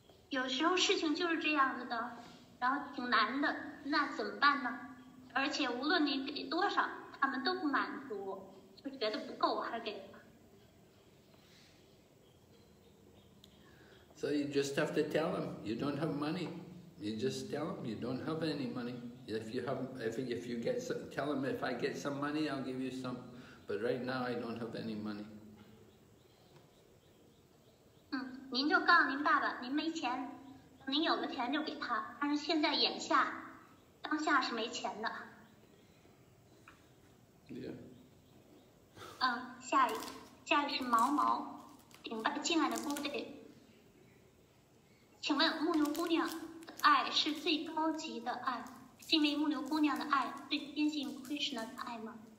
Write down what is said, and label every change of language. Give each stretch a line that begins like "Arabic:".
Chinese: 有时候事情就是这样子的，然后挺难的，那怎么办呢？而且无论你给多少，他们都不满足，就觉得不够，还给。
English: So you just have to tell them you don't have money. You just tell them you don't have any money. Tell them if I get some money, I'll give you some. But right now, I don't have any money.
Chinese: 您就告诉您爸爸您没钱，您有了钱就给他，但是现在眼下当下是没钱的。
English: Yeah.
Chinese: 下一是毛毛顶拜敬爱的姑爹，请问牧牛姑娘的爱是最高级的爱，是因为牧牛姑娘的爱最坚信 Krishna 的爱吗？